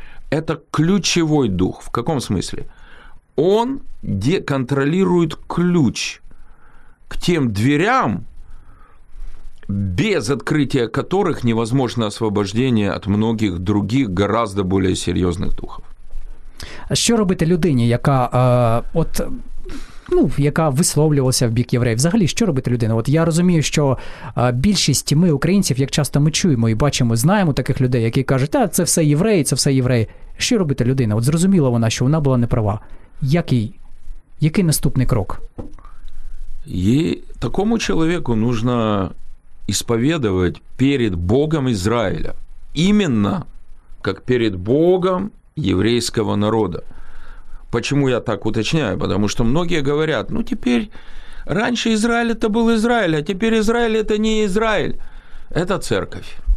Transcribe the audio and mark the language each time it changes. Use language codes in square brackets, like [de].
[ru] Это ключевой дух. В каком смысле? Он контролирует ключ к тем дверям, без открытия которых невозможно освобождение от многих других гораздо более серьезных духов. [uk] Що робити людині, яка от ну, яка висловлювалася в бік євреїв? Взагалі, що робити людині? От я розумію, що більшість ми, українців, як часто ми чуємо і бачимо, знаємо таких людей, які кажуть, а це все євреї, це все євреї. Що робити людині? От зрозуміла вона, що вона була неправа. Який наступний крок? Їй такому чоловіку [ru] нужно исповедовать перед Богом Израиля, именно как перед Богом еврейского народа. Почему я так уточняю? Потому что многие говорят, ну теперь, раньше Израиль это был Израиль, а теперь Израиль это не Израиль, это церковь.